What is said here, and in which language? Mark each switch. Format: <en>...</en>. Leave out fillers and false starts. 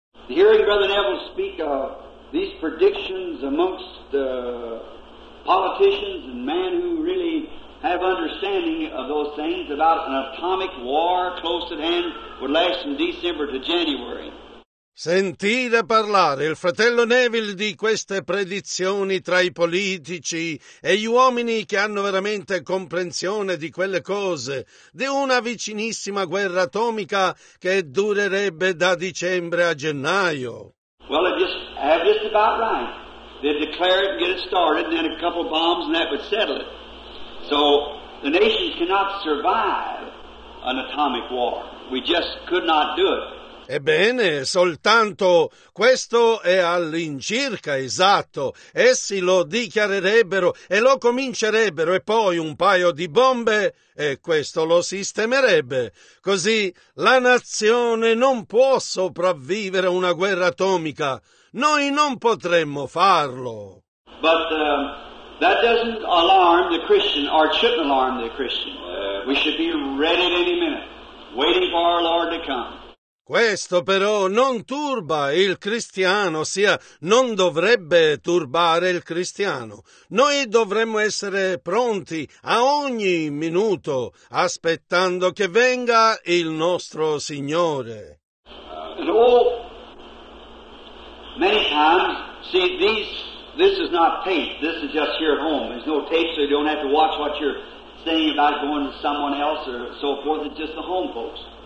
<en>Hearing Brother Neville speak of these predictions amongst politicians and men who really have understanding of those things about an atomic war close at hand would last from December to January.</en> <it>Sentire parlare il fratello Neville di queste predizioni tra i politici e gli uomini che hanno veramente comprensione di quelle cose, di una vicinissima guerra atomica che durerebbe da dicembre a gennaio.</it> <en>Well, they just have just about right. They'd declare it and get it started, and then a couple bombs, and that would settle it. So the nations cannot survive an atomic war. We just could not do it.</en> <it>Ebbene, soltanto questo è all'incirca esatto. Essi lo dichiarerebbero e lo comincerebbero e poi un paio di bombe e questo lo sistemerebbe. Così la nazione non può sopravvivere a una guerra atomica. Noi non potremmo farlo.</it> <en>But that doesn't alarm the Christian, or shouldn't alarm the Christian. We should be ready at any minute, waiting for our Lord to come.</en> <it>Questo però non turba il cristiano, ossia non dovrebbe turbare il cristiano. Noi dovremmo essere pronti a ogni minuto, aspettando che venga il nostro Signore.</it> <en>Many times, see, this is not tape, this is just here at home. There's no tape, so you don't have to watch what you're saying about going to someone else or so forth, it's just the home folks.</en>